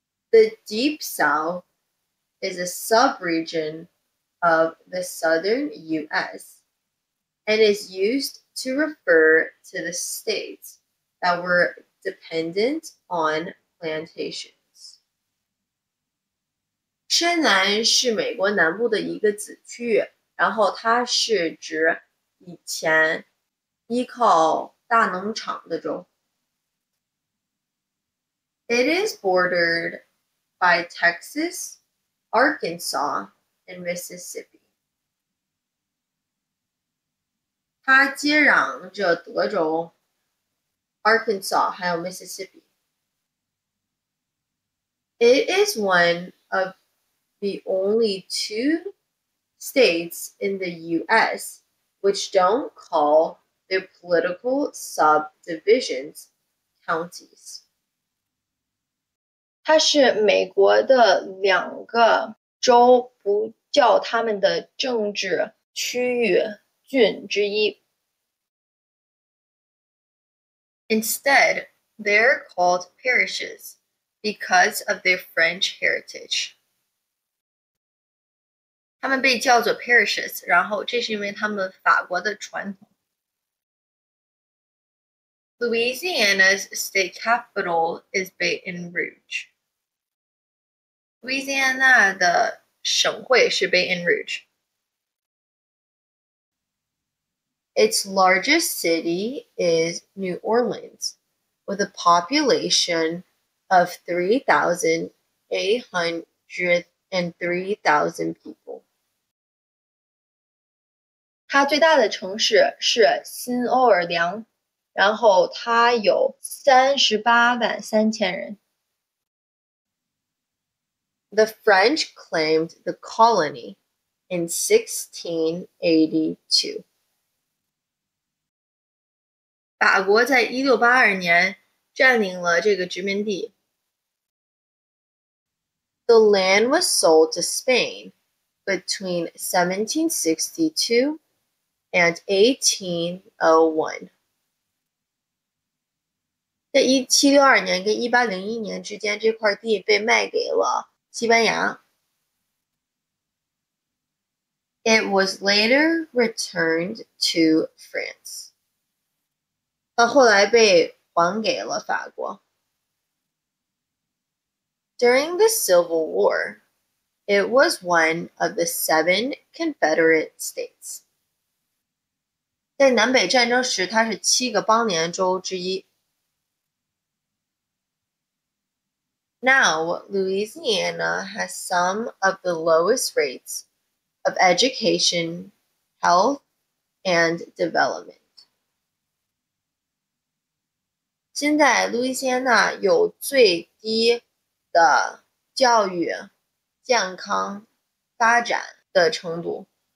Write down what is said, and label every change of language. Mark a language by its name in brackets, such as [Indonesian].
[English] The Deep South is a subregion of the southern U.S. and is used to refer to the states that were dependent on plantations. [Chinese] 深南是美国南部的一个子区域，然后它是指以前依靠大农场的州。 [English] It is bordered by Texas, Arkansas, and Mississippi. [Chinese] 它接壤着德州、Arkansas 还有 Mississippi. [English] It is one of the only two states in the U.S. which don't call their political subdivisions, counties. [Chinese] 它是美国的两个州不叫他们的政治区域郡之一。 [English] Instead, they're called parishes because of their French heritage. [Chinese] 他们被叫做 parishes, 然后这是因为他们法国的传统。 [English] Louisiana's state capital is Baton Rouge. [Chinese] Louisiana 的省会是 Baton Rouge. [English] Its largest city is New Orleans, with a population of 3,803,000 people. [Chinese] 它最大的城市是新奥尔良。然后它有38,000人。 [English] The French claimed the colony in 1682. [Chinese] 法国在1682年占领了这个殖民地。 [English] The land was sold to Spain between 1762 and 1801. [Chinese] 在1762年跟1801年之间，这块地被卖给了西班牙。 [English] It was later returned to France. [Chinese] 它后来被还给了法国。 [English] During the Civil War, it was one of the seven Confederate states. [Chinese] 在南北战争时，它是七个邦联州之一。 [English] Now, Louisiana has some of the lowest rates of education, health, and development. [Chinese] 现在，路易斯安那有最低的教育、健康、发展的程度。